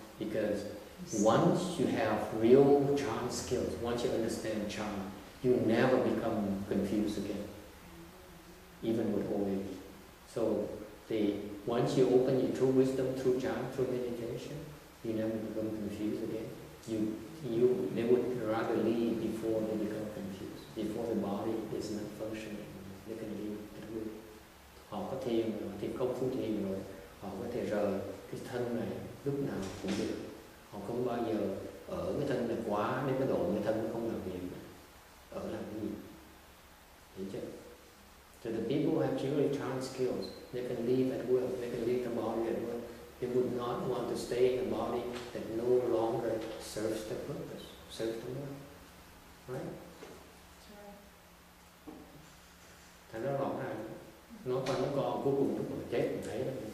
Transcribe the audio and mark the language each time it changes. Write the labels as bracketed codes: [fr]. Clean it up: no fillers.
[en] Because once you have real Chan skills, once you understand Chan, you never become confused again. Even with old age. So once you open your true wisdom through jhana, through meditation, you never become confused again. They would rather leave before they become confused, before the body is not functioning. They can leave at will. [vi] Họ có thiền rồi, thiền công phu thiền rồi, họ có thể rời cái thân này lúc nào cũng được. Họ không bao giờ ở cái thân này quá đến cái độ cái thân không làm việc. Ở làm cái gì? Thấy chưa? [en] So the people who have truly trained skills, they can leave at will, they can leave the body at will. They would not want to stay in a body that no longer serves the purpose, serves the world. Right? Sure. [vi] Thành ra rõ ràng, nó còn có cuối cùng lúc mà chết mình thấy đó.